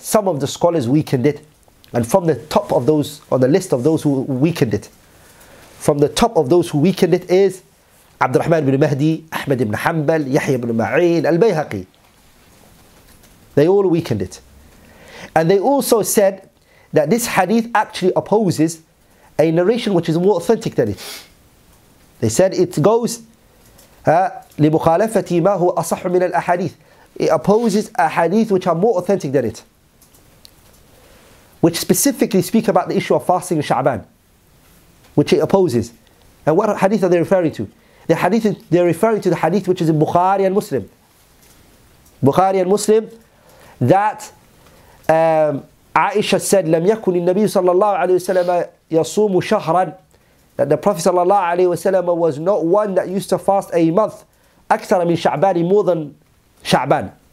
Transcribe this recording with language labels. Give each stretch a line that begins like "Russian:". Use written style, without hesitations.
English: Some of the scholars weakened it. And from the top of those, on the list of those who weakened it, from the top of those who weakened it is عبد الرحمن بن مهدي, أحمد بن حنبل, يحيى بن معين, البيهقي. They all weakened it. And they also said that this hadith actually opposes a narration which is more authentic than it. They said it goes
Arabic: لمخالفة ما هو أصح من الأحاديث.
English: It opposes a hadith which are more authentic than it. Which specifically speak about the issue of fasting in Sha'ban. Which it opposes. And what hadith are they referring to? The hadith, they're referring to the hadith which is in Bukhari and Muslim. Bukhari and Muslim, that Aisha said,
Arabic: لم يكن النبي صلى الله عليه وسلم يصوم شهرا,
English: that the Prophet
Arabic: صلى الله عليه وسلم
English: was not one that used to fast a month,
Arabic: أكثر من شعبان,
English: more than شعبان.